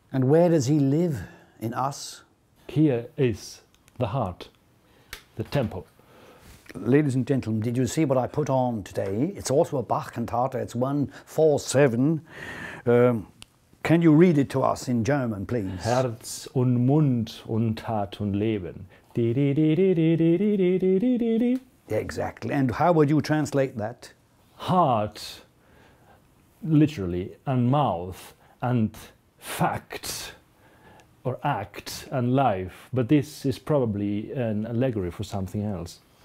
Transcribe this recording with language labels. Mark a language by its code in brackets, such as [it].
[en] And where does he live in us? Here is the heart, the temple. Ladies and gentlemen, did you see what I put on today? It's also a Bach cantata. It's 147. Can you read it to us in German, please? [de] Herz und Mund und Tat und Leben. [en] Exactly. And how would you translate that? Heart, literally, and mouth, and fact, or act, and life. But this is probably an allegory for something else.